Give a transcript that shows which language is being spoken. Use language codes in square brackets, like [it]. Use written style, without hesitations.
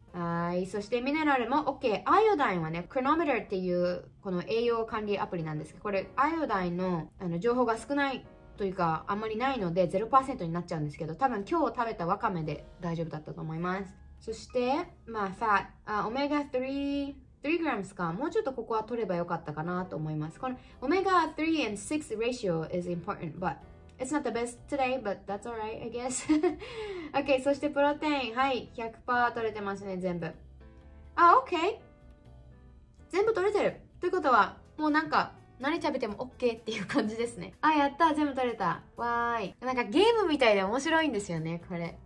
[ja] はい、そしてミネラルも OK。アイオダインはね、クロノメーターっていうこの栄養管理アプリなんですけど、これアイオダイン の情報が少ないというかあんまりないので 0% になっちゃうんですけど、多分今日食べたわかめで大丈夫だったと思います。そしてまあファット、オメガ 3g か、もうちょっとここは取ればよかったかなと思います。このオメガ [en] 3 and 6 ratio is important but it's not the best today but that's alright I guess。 [ja] OK、 そしてプロテイン、はい、 100% 取れてますね、全部。あ、 OK、 全部取れてるということはもうなんか何食べても OK っていう感じですね。あ、やった、全部取れた、わーい。なんかゲームみたいで面白いんですよね、これ。